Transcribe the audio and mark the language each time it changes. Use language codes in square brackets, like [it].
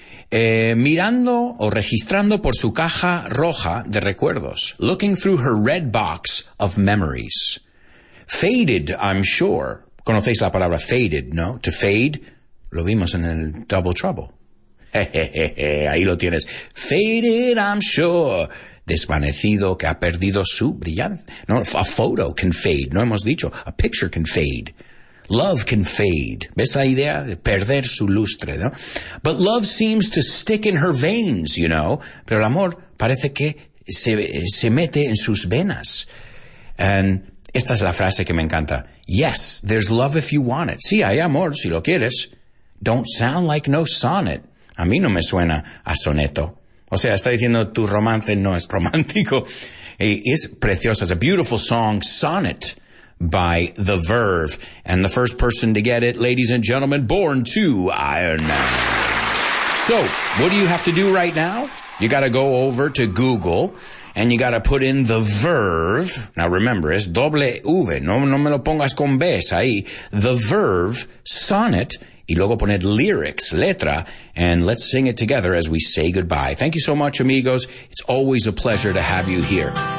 [es] Mirando o registrando por su caja roja de recuerdos. [en] Looking through her red box of memories. Faded, I'm sure. [es] Conocéis la palabra faded, ¿no? To fade, lo vimos en el Double Trouble. Ahí lo tienes. [en] Faded, I'm sure. [es] Desvanecido, que ha perdido su brillante. [en] No, a photo can fade, [es] no hemos dicho. [en] A picture can fade. Love can fade. [es] ¿Ves la idea? De perder su lustre, ¿no? [en] But love seems to stick in her veins, you know. [es] Pero el amor parece que se mete en sus venas. [en] And [es] esta es la frase que me encanta. [en] Yes, there's love if you want it. [es] Sí, hay amor, si lo quieres. [en] Don't sound like no sonnet. [es] A mí no me suena a soneto. O sea, está diciendo tu romance no es romántico. Es precioso. [en] It's a beautiful song, sonnet. By The Verve, and the first person to get it, ladies and gentlemen, born to Iron Man. So, what do you have to do right now? You got to go over to Google, and you got to put in The Verve. Now remember, [es] es doble V, no me lo pongas con B, ahí. [en] The Verve, sonnet, [es] y luego poner [en] lyrics, letra, and let's sing it together as we say goodbye. Thank you so much, amigos. It's always a pleasure to have you here.